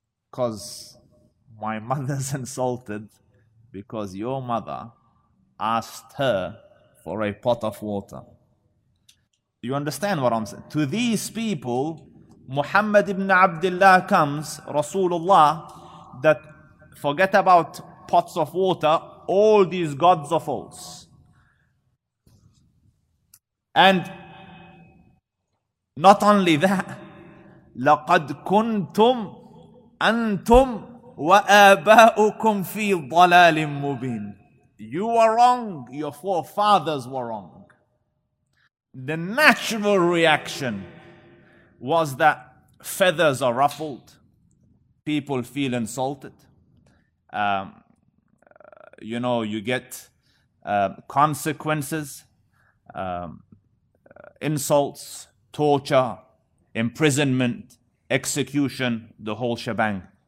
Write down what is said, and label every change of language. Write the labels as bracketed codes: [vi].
[en] Because my mother's insulted because your mother asked her for a pot of water. Do you understand what I'm saying? To these people, Muhammad ibn Abdullah comes, Rasulullah, that forget about pots of water, all these gods are false. And not only that, [ar] لَقَدْ كُنْتُمْ أَنْتُمْ وَآبَاؤُكُمْ فِي ضَلَالٍ مُبِينٍ. [en] You were wrong. Your forefathers were wrong. The natural reaction was that feathers are ruffled. People feel insulted. You know, you get consequences, insults, torture, imprisonment, execution, the whole shebang.